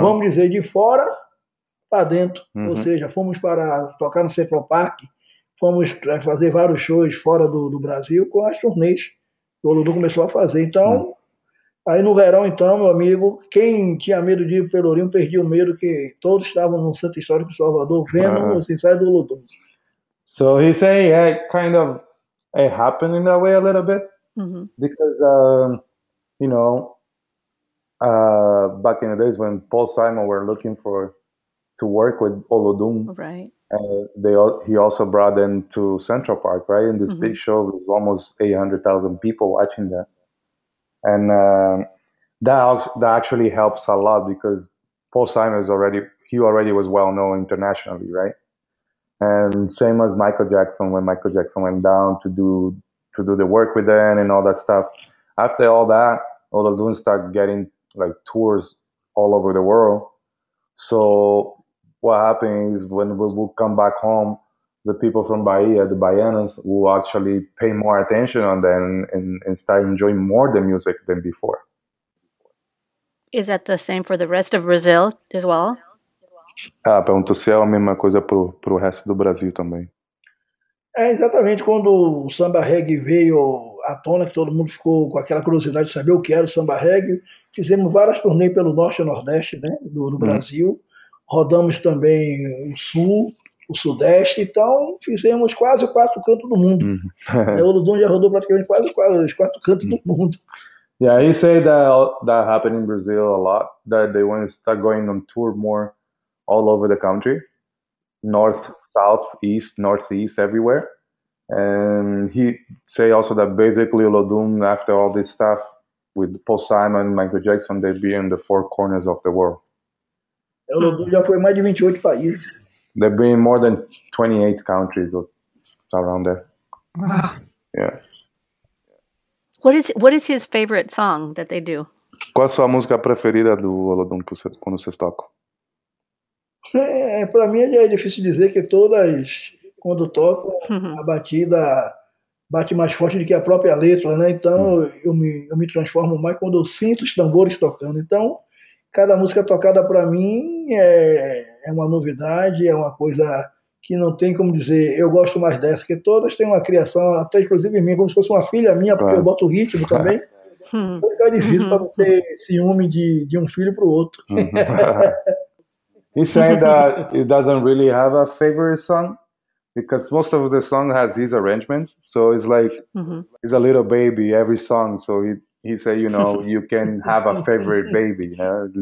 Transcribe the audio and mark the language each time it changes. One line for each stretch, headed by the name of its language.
Portuguese: Vamos dizer, de fora para dentro. Uhum. Ou seja, fomos para tocar no Central Park, fomos fazer vários shows fora do Brasil com as turnês que o Olodum começou a fazer. Então, uhum, aí no verão, então, meu amigo, quem tinha medo de ir para o Pelourinho perdia o medo, que todos estavam no Centro Histórico de Salvador vendo os ensaios do Olodum.
English: So he's saying kind of it happened in that way a little bit. Mm-hmm. Because, you know, back in the days when Paul Simon were looking to work with Olodum, right, he also brought them to Central Park, right? In this, mm-hmm, big show, there was almost 800,000 people watching that. And that actually helps a lot because Paul Simon already was well-known internationally, right? And same as Michael Jackson, when Michael Jackson went down to do the work with them and all that stuff. After all that, Olodum start getting like tours all over the world. So what happened is when we would come back home, the people from Bahia, the Baianos, will actually pay more attention on them and start enjoying more the music than before. Is that the same for the rest of Brazil as well?
Portuguese: Ah, perguntou se é a mesma coisa pro resto do Brasil também. É exatamente, quando o samba reggae veio à tona, que todo mundo ficou com aquela curiosidade de saber o que era o samba reggae, fizemos várias turnês pelo norte e nordeste, né, do Brasil, rodamos também o sul, o sudeste, então fizemos quase quatro cantos do mundo. O Olodum já rodou praticamente quase os quatro cantos do mundo.
English: Yeah, he said that happened in Brazil a lot, that they want to start going on tour more all over the country, north, south, east, northeast, everywhere. And he say also that basically Olodum, after all this stuff with Paul Simon, Michael Jackson, they'd be in the four corners of the world.
Portuguese: Olodum já foi mais de 28 países.
English: They've been in more than 28 countries around there. Wow. Yes. What is his favorite song that they do?
Portuguese: Qual a sua música preferida do Olodum quando vocês tocam? É, para mim é difícil dizer que todas, quando toco, a batida bate mais forte do que a própria letra, né? Então eu me transformo mais quando eu sinto os tambores tocando. Então, cada música tocada para mim é uma novidade, é uma coisa que não tem como dizer, eu gosto mais dessa, porque todas têm uma criação, até inclusive minha, como se fosse uma filha minha, porque eu boto o ritmo também. Então fica difícil para ter ciúme de um filho para o outro.
English: He's saying that he doesn't really have a favorite song because most of the song has his arrangements. So it's like, mm-hmm, he's a little baby, every song. So he said, you know, you can have a favorite baby. Yeah?